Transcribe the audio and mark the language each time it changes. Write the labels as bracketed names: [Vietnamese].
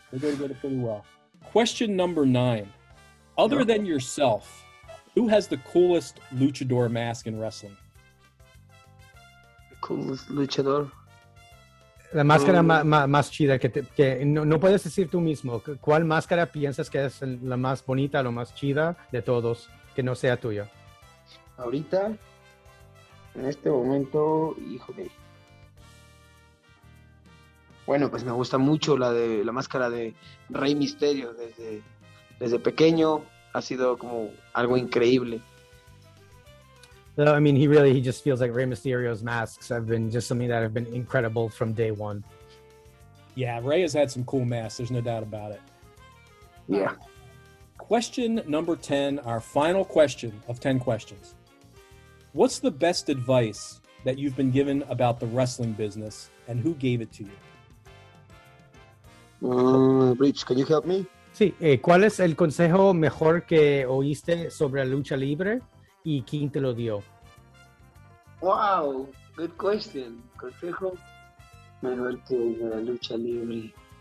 [English] They go together pretty well. Question number nine. Other than yourself... Who has the coolest luchador mask in wrestling? Coolest luchador. [Spanish] La máscara más chida que no puedes decir tú mismo. ¿Cuál máscara piensas que es la más bonita, lo más chida de todos que no sea tuya? Ahorita, en este momento, híjole. Bueno, pues me gusta mucho la máscara de Rey Misterio. Desde pequeño ha sido como algo increíble. [English] No, I mean, he just feels like Rey Mysterio's masks have been just something that have been incredible from day one. Yeah, Rey has had some cool masks. There's no doubt about it. Yeah. Question number 10, our final question of 10 questions. What's the best advice that you've been given about the wrestling business, and who gave it to you? Rich, can you help me? [Spanish] Sí. ¿Cuál es el consejo mejor que oíste sobre la lucha libre? ¿Y quién te lo dio? [English] Wow, good question. [Spanish] Consejo mejor que de la lucha libre.